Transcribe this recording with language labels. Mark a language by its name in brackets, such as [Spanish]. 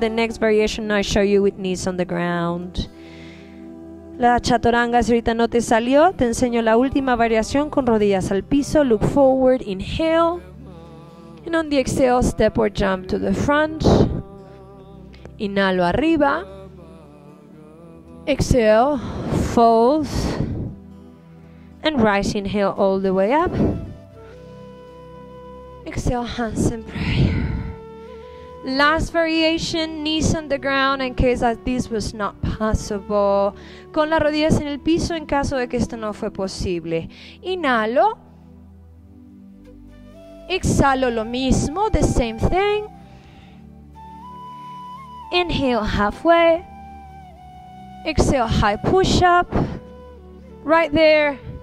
[English] The next variation I show you with knees on the ground. [Spanish] La chaturanga si ahorita no te salió, te enseño la última variación con rodillas al piso. [English] Look forward, inhale. And on the exhale, step or jump to the front. [Spanish] Inhalo arriba. [English] Exhale, fold. And rise, inhale all the way up. Exhale, hands in prayer. Last variation, knees on the ground in case that this was not possible. [Spanish] Con las rodillas en el piso en caso de que esto no fue posible. Inhalo. Exhalo lo mismo, [English] the same thing. Inhale, halfway. Exhale, high push up. Right there.